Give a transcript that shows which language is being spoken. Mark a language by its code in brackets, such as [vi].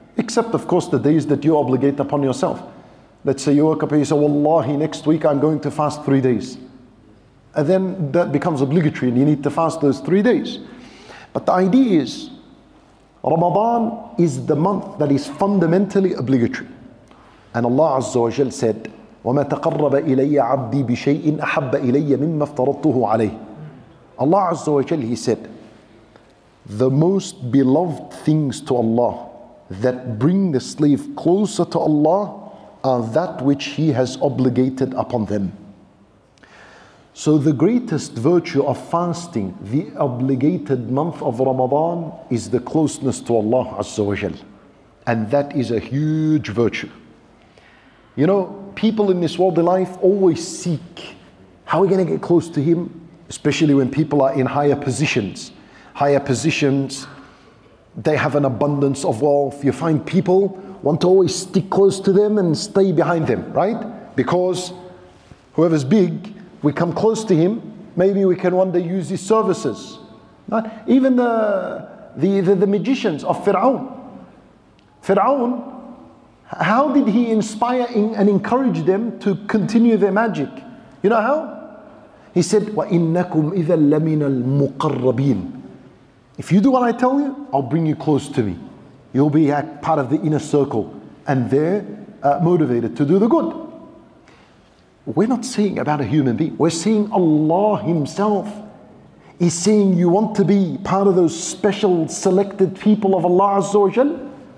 [en] Except, of course, the days that you obligate upon yourself. Let's say you woke up and you say, Wallahi, next week I'm going to fast 3 days. And then that becomes obligatory and you need to fast those 3 days. But the idea is, Ramadan is the month that is fundamentally obligatory. And Allah Azza wa Jal said, [ar] وَمَا تَقَرَّبَ إِلَيَّ عَبْدِي بِشَيْءٍ أَحَبَّ إِلَيَّ مِمَّا افْتَرَضْتُهُ عَلَيْهِ. [en] Allah Azza wa Jal, He said, the most beloved things to Allah that bring the slave closer to Allah are that which he has obligated upon them. So the greatest virtue of fasting, the obligated month of Ramadan, is the closeness to Allah Azza wa Jal. And that is a huge virtue. You know, people in this worldly life always seek, how are we going to get close to Him? Especially when people are in higher positions. Higher positions, they have an abundance of wealth. You find people want to always stick close to them and stay behind them, right? Because whoever's big, we come close to him, maybe we can one day use his services. Right? Even the magicians of Fir'aun. Fir'aun, how did he inspire and encourage them to continue their magic? You know how? He said, [ar] وَإِنَّكُمْ إِذَا لَمِنَ الْمُقَرَّبِينَ. [en] If you do what I tell you, I'll bring you close to me. You'll be a part of the inner circle and they're motivated to do the good. We're not saying about a human being. We're saying Allah Himself is saying you want to be part of those special selected people of Allah Azza wa Jal.